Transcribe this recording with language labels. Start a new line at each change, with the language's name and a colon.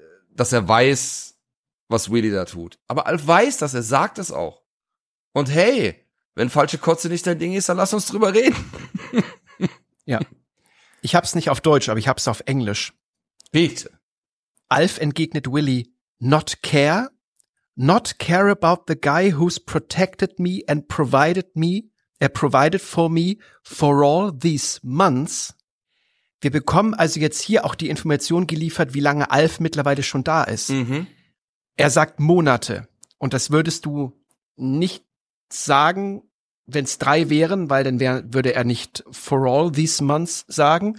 German: Dass er weiß, was Willy da tut. Aber Alf weiß das, er sagt es auch. Und hey, wenn falsche Kotze nicht dein Ding ist, dann lass uns drüber reden. Ja. Ich hab's nicht auf Deutsch, aber ich hab's auf Englisch. Bitte. Alf entgegnet Willy,
English: not care? Not care about the guy who's protected me and provided me? Er provided for me for all these months.
German: Wir bekommen also jetzt hier auch die Information geliefert, wie lange Alf mittlerweile schon da ist. Mhm. Er sagt Monate. Und das würdest du nicht sagen, wenn es 3 wären, weil dann würde er nicht
English: for all these months
German: sagen.